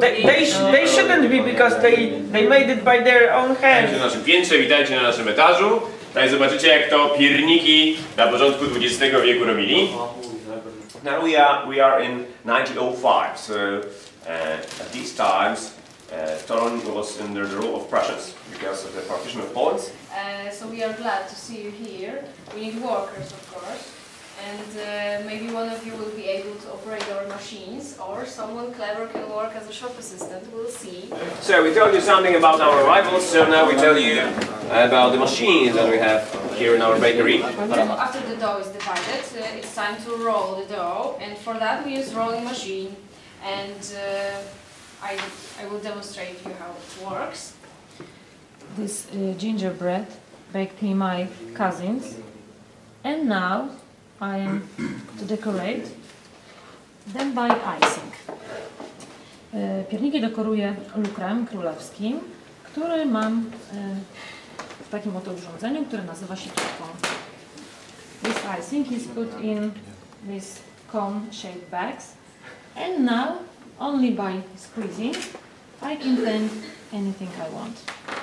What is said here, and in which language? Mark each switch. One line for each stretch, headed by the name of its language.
English: They shouldn't be because they made it by their own hands.
Polish: Witajcie na naszym piętrze, witajcie na naszym etażu. Tutaj zobaczycie, jak to pierniki na początku XX wieku robili.
English: Now we are in 1905, so at these times Toruń was under the rule of Prussians because of the partition of Poland. So we are glad to see you here. We need workers, of course, and maybe one of you will be able to operate our machines, or someone clever can work as a shop assistant. We'll see. So we told you something about our arrivals. So now we tell you about the machines that we have here in our bakery. After the dough is divided, it's time to roll the dough, and for that we use rolling machine. And I will demonstrate you how it works. This gingerbread baked me my cousins, and now I am to decorate them by icing.
Polish: Pierniki dekoruję lukrem królewskim, który mam w takim oto urządzeniu, które nazywa się czapką.
English: This icing is put in these cone-shaped bags, and now only by squeezing I can blend anything I want.